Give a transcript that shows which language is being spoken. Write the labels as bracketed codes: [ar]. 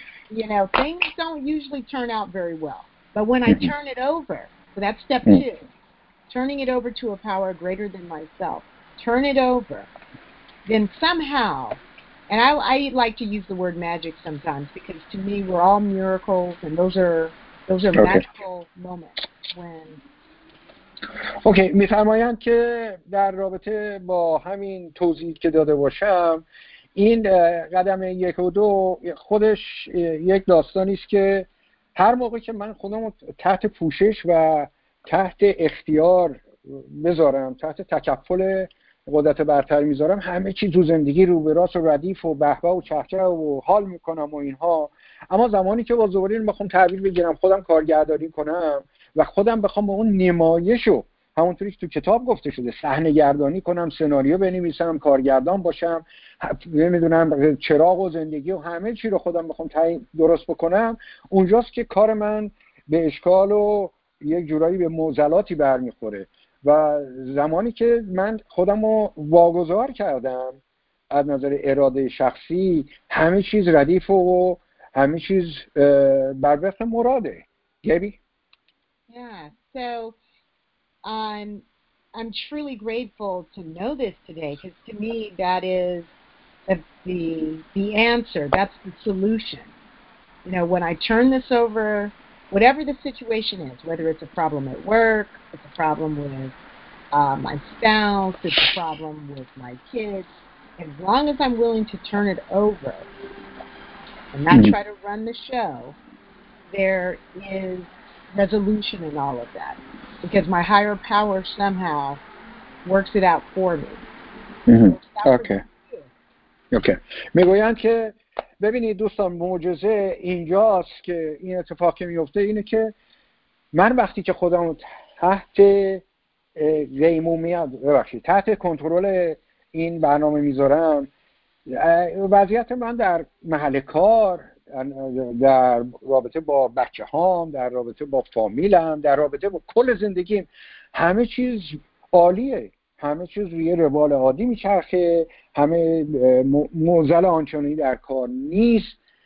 [en] You know, things don't usually turn out very well. But when I turn it over, so that's step two, turning it over to a power greater than myself, turn it over, then somehow... And I like to use the word magic sometimes, because to me we're all miracles, and those are okay. magical moments when. [fa] Okay, می‌فرمایند که در رابطه با همین توضیح که داده باشم، این قدم یک و دو خودش یک داستانی است که هر موقع که من خودم تحت پوشش و تحت اختیار بذارم، تحت تکفل قدرت برتر میذارم، همه چیز تو زندگی رو به راست و ردیف و بهبه و چهچه و حال میکنم و اینها. اما زمانی که با زبرین بخوام تعبیر بگیرم، خودم کارگردانی کنم و خودم بخوام به اون نمایشو همونطوری که تو کتاب گفته شده صحنه گردانی کنم، سناریو بنویسم، کارگردان باشم، نمیدونم چراغ و زندگی و همه چی رو خودم بخوام درست بکنم، اونجاست که کار من به اشکال و یک جورایی به معضلاتی برمیخوره. و زمانی که من خودم رو واگذار کردم از نظر اراده شخصی، همه چیز ردیف و همه چیز بر وفق مراده. گیبی؟ [en] Yeah, so I'm truly grateful to know this today, because to me that is the answer, that's the solution. You know, when I turn this over, whatever the situation is, whether it's a problem at work, it's a problem with my spouse, it's a problem with my kids, as long as I'm willing to turn it over and not try to run the show, there is resolution in all of that, because my higher power somehow works it out for me. Okay. [fa] میگویند که ببینید دوستان، معجزه اینجاست که این اتفاق که میفته اینه که من وقتی که خودم تحت قیمومیت ببخشید تحت کنترل این برنامه میذارم، وضعیت من در محل کار، در رابطه با بچه هام، در رابطه با فامیلم، در رابطه با کل زندگیم، همه چیز عالیه، همه چیز روی روال عادی میچرخه، همه موزل آنچنانی در کار نیست.